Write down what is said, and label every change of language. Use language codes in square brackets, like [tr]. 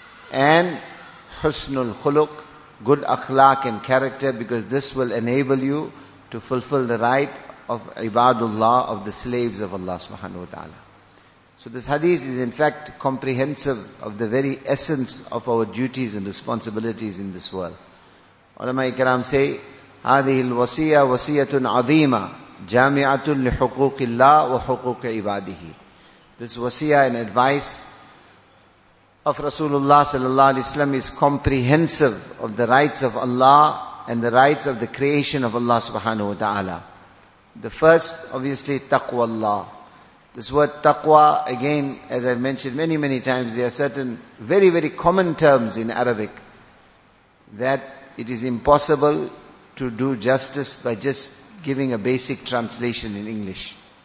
[en] And husnul khuluq, good akhlaq and character, because this will enable you to fulfill the right of ibadullah, of the slaves of Allah subhanahu wa ta'ala. So this hadith is in fact comprehensive of the very essence of our duties and responsibilities in this world. [ar] Ulama ikram say, هذه الوصية وصية عظيمة جامعة لحقوق الله وحقوق عباده. [en] This wasiyah and advice of Rasulullah sallallahu alaihi wasallam is comprehensive of the rights of Allah and the rights of the creation of Allah subhanahu wa ta'ala. The first, obviously, taqwa Allah. This word taqwa, again, as I've mentioned many, many times, there are certain very, very common terms in Arabic that it is impossible to do justice by just giving a basic translation in English.